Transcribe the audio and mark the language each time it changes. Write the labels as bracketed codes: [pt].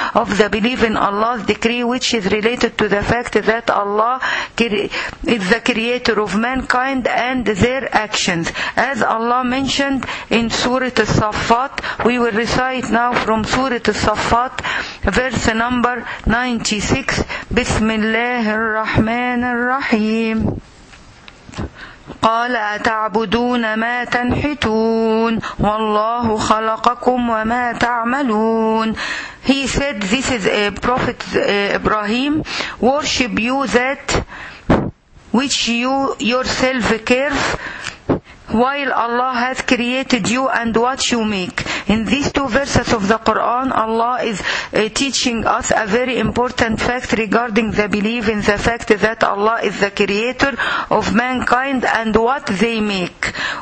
[en] of the belief in Allah's decree, which is related to the fact that Allah is the creator of mankind and their actions. As Allah mentioned in Surah As-Saffat, we will recite now from Surah As-Saffat, verse number 96. [ar] Bismillahir Rahmanir Rahim. قال أتعبدون ما تنحتون والله خلقكم وما تعملون. [en] He said, this is a prophet Ibrahim, worship you that which you yourself carve, while Allah has created you and what you make. In these two verses of the Quran, Allah is teaching us a very important fact regarding the belief in the fact that Allah is the creator of mankind and what they make.